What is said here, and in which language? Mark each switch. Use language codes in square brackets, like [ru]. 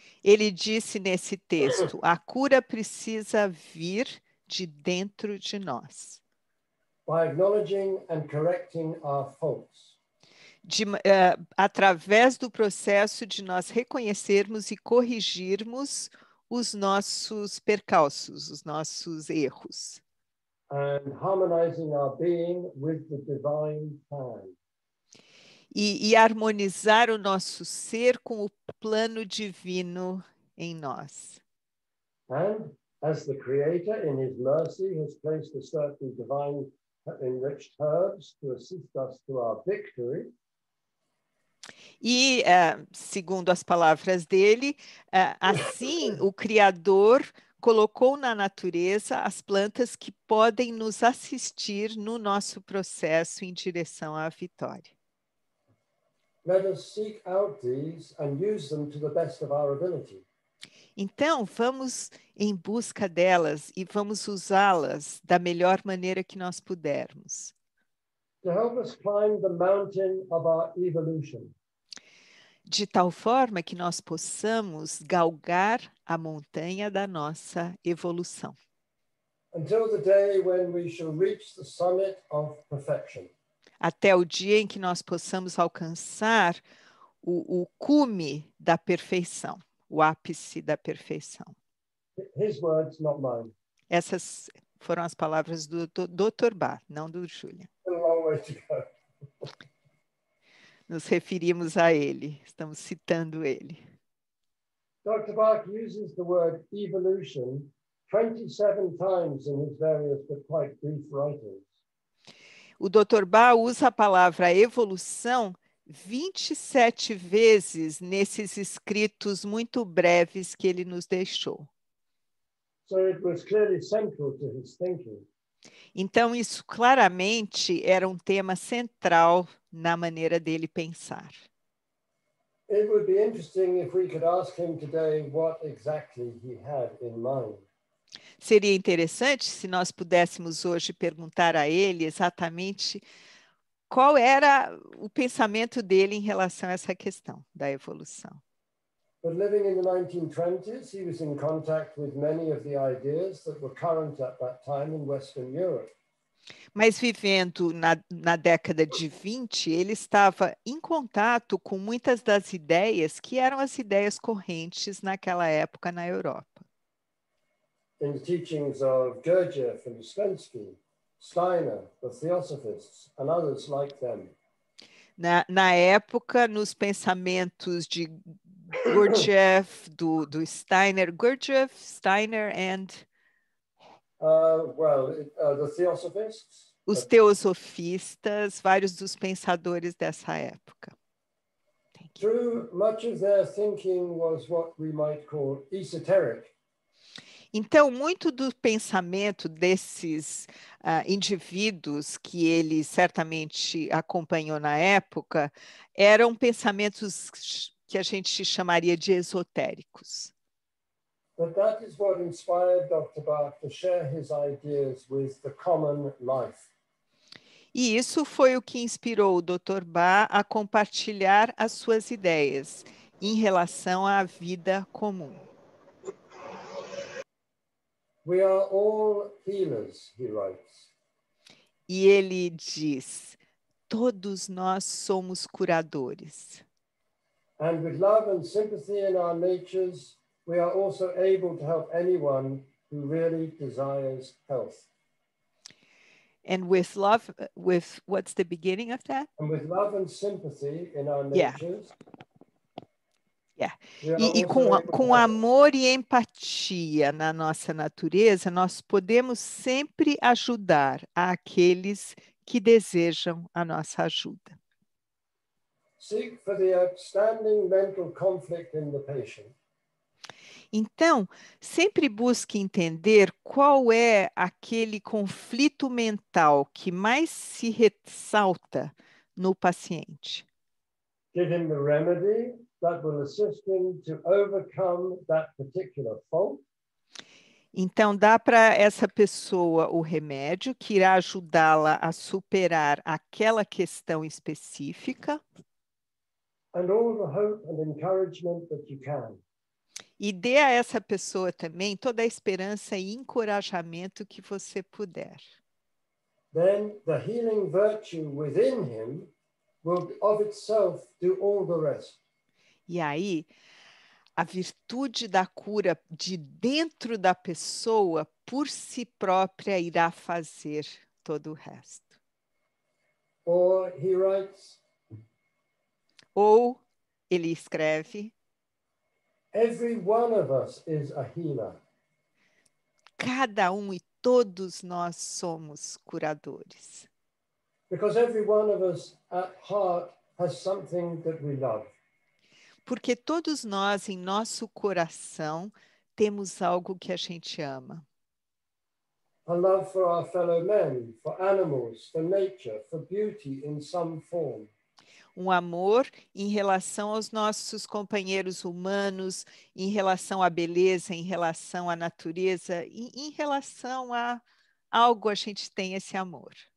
[pt] Ele disse nesse texto, a cura precisa vir de dentro de nós. [en] By acknowledging and correcting our faults. [pt] através do processo de nós reconhecermos e corrigirmos os nossos percalços, os nossos erros. [en] And harmonizing our being with the divine plan. [pt] E harmonizar o nosso ser com o plano divino em nós. [en] And as the Creator, in His mercy, has placed a certain divine enriched herbs to assist us to our victory. [pt] E, segundo as palavras dele, assim o Criador colocou na natureza as plantas que podem nos assistir no nosso processo em direção à vitória. [en] Let us seek out these and use them to the best of our ability. [pt] Então, vamos em busca delas e vamos usá-las da melhor maneira que nós pudermos. [en] To help us climb the mountain of our evolution. [pt] De tal forma que nós possamos galgar a montanha da nossa evolução. [en] Until the day when we shall reach the summit of perfection. [pt] Até o dia em que nós possamos alcançar o cume da perfeição, o ápice da perfeição. [en] His words, not mine. [pt] Essas foram as palavras do Dr. Bar, não do Julia. Nos referimos a ele, estamos citando ele. [en] Dr. Bach uses the word evolution 27 times in his various but quite brief writings. [pt] O Dr. Bach usa a palavra evolução 27 vezes nesses escritos muito breves que ele nos deixou. [en] So it was clearly central to his thinking. [pt] Então, isso claramente era um tema central na maneira dele pensar. [en] It would be interesting if we could ask him today what exactly he had in mind. [pt] Seria interessante se nós pudéssemos hoje perguntar a ele exatamente qual era o pensamento dele em relação a essa questão da evolução. [en] But living in the 1920s, he was in contact with many of the ideas that were current at that time in Western Europe. [pt] Mas vivendo na década de 20, ele estava em contato com muitas das ideias que eram as ideias correntes naquela época na Europa. [en] In the teachings of Gurdjieff and Uspensky, Steiner, the Theosophists, and others like them. [pt] Na época, nos pensamentos de Gurdjieff, do Steiner, Gurdjieff, Steiner and [en] the Theosophists. [pt] Os teosofistas, vários dos pensadores dessa época. [en] True, much of their thinking was what we might call esoteric. [pt] Então, muito do pensamento desses indivíduos que ele certamente acompanhou na época eram pensamentos que a gente chamaria de esotéricos. [en] But that is what inspired Dr. Bach to share his ideas with the common life. [pt] E isso foi o que inspirou o Dr. Bach a compartilhar as suas ideias em relação à vida comum. [en] We are all healers, he writes. [pt] E ele diz, todos nós somos curadores. [en] And with love and sympathy in our natures, we are also able to help anyone who really desires health. And with love, with what's the beginning of that? And with love and sympathy in our natures. Yeah. [pt] E com amor e empatia na nossa natureza, nós podemos sempre ajudar aqueles que desejam a nossa ajuda. [en] Seek for the outstanding mental conflict in the patient. [pt] Então, sempre busque entender qual é aquele conflito mental que mais se ressalta no paciente. [en] Give him the remedy that will assist him to overcome that particular fault. [pt] Então, dá para essa pessoa o remédio que irá ajudá-la a superar aquela questão específica. [en] And all the hope and encouragement that you can. [pt] E dê a essa pessoa também toda a esperança e encorajamento que você puder. [en] Then the healing virtue within him will of itself do all the rest. [pt] E aí, a virtude da cura de dentro da pessoa, por si própria, irá fazer todo o resto. [en] Or he writes, [pt] ou ele escreve, [en] every one of us is a healer. [pt] Cada um e todos nós somos curadores. [en] Because every one of us at heart has something that we love. [pt] Porque todos nós, em nosso coração, temos algo que a gente ama. [en] A love for our fellow men, for animals, for nature, for beauty in some form. [pt] Um amor em relação aos nossos companheiros humanos, em relação à beleza, em relação à natureza, em relação a algo a gente tem esse amor.